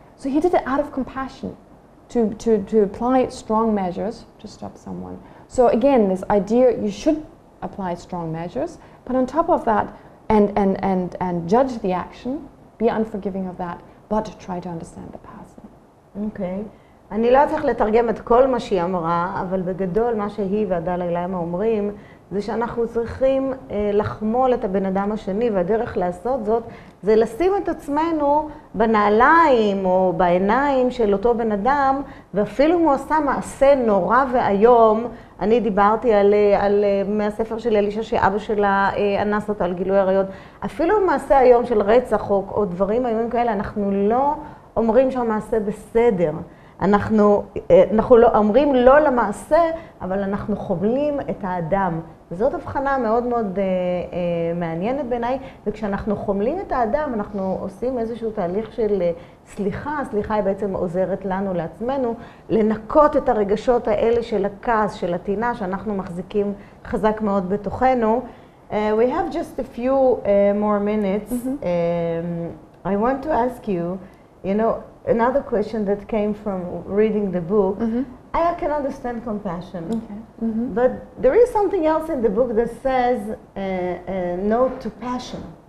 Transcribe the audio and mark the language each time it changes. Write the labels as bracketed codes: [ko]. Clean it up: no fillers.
[en] So he did it out of compassion, to apply strong measures to stop someone. So again, this idea you should apply strong measures, but on top of that, and judge the action, be unforgiving of that, but try to understand the person. Okay. [he] אני לא צריך לתרגם את כל מה שהיא אמרה, אבל בגדול מה שהיא והדלאי לאמה אומרים, זה שאנחנו צריכים לחמול את הבן אדם השני, והדרך לעשות זאת זה לשים את עצמנו בנעליים או בעיניים של אותו בן אדם, ואפילו אם הוא עשה מעשה נורא והיום, אני דיברתי על מהספר של אלישה שאבא שלה אנס אותה על גילוי הריות, אפילו מעשה היום של רצח או דברים היום כאלה, אנחנו לא אומרים שהמעשה בסדר. אנחנו לא אומרים לא למעשה, אבל אנחנו חובלים את האדם. זאת הבחנה מאוד מאוד מעניינת בעיניי, וכשאנחנו חומלים את האדם, אנחנו עושים איזשהו תהליך של סליחה. הסליחה היא בעצם עוזרת לנו, לעצמנו, לנקות את הרגשות האלה של הכעס, של הטינה, שאנחנו מחזיקים חזק מאוד בתוכנו. [en] We have just a few more minutes. Mm-hmm. I want to ask you, you know, another question that came from reading the book. Mm-hmm. I can understand compassion. Okay. Mm-hmm. But there is something else in the book that says no to passion.